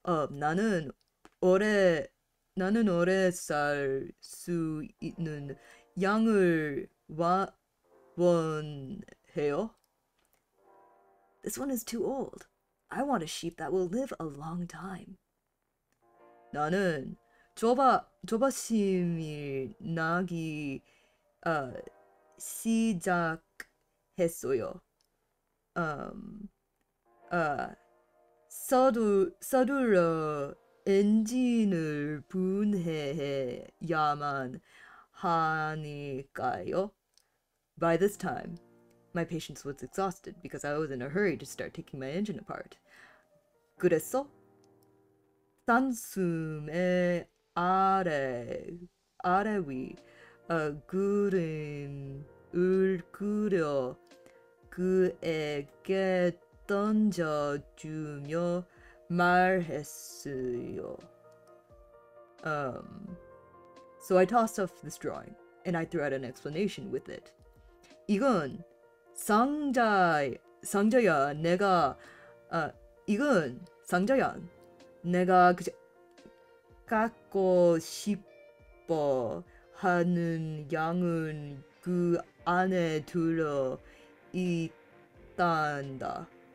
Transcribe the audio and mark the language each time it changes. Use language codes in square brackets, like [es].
[ko] 나는 오래 살 수 있는 양을 원해요. [en] This one is too old. I want a sheep that will live a long time. [ko] 나는 조바심이 나기 시작했어요. 서둘러 엔진을 분해해야만 하니까요. [en] By this time, my patience was exhausted because I was in a hurry to start taking my engine apart. [ko] 그래서 단숨에 아래 위 그림을 그려 그에게 던져주며 말했어요. [en] So I tossed off this drawing and I threw out an explanation with it. [ko] 이건 상자야 내가 이건 상자야 내가 갖고 싶어 하는 양은 그 안에 들어 있단다.